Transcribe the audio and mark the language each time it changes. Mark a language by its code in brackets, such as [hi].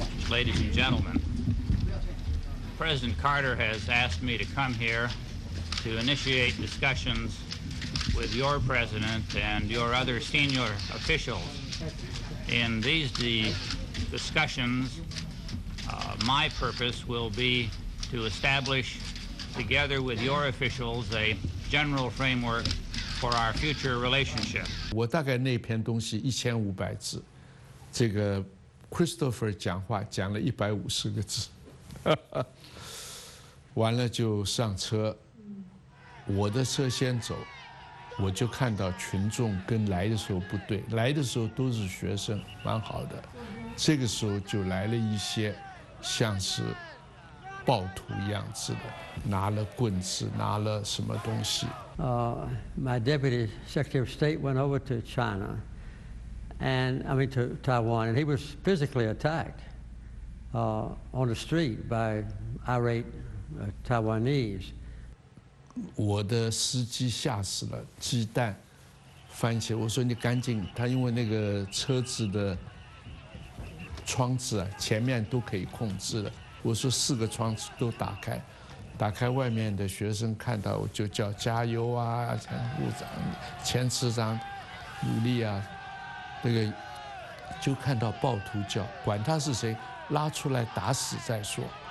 [en] Ladies and gentlemen, President Carter has asked me to come here to initiate discussions with your president and your other senior officials. In these discussions, my purpose will be to establish, together with your officials, a general framework for our future relationship. [zh] 我大概那篇东西1500字，这个 Christopher 讲话讲了150个字，完了就上车，我的车先走，我就看到群众跟来的时候不对，来的时候都是学生，蛮好的，这个时候就来了一些像是暴徒样子的，拿了棍子，拿了什么东西。 [en] My deputy secretary of state went over to China, to Taiwan, and he was physically attacked on the street by irate Taiwanese. [zh] 我的司机吓死了，鸡蛋、番茄。我说你赶紧，他因为那个车子的窗子前面都可以控制的。我说四个窗子都打开，打开外面的学生看到我就叫加油啊，前部长、前次长努力啊，那个就看到暴徒叫，管他是谁，拉出来打死再说。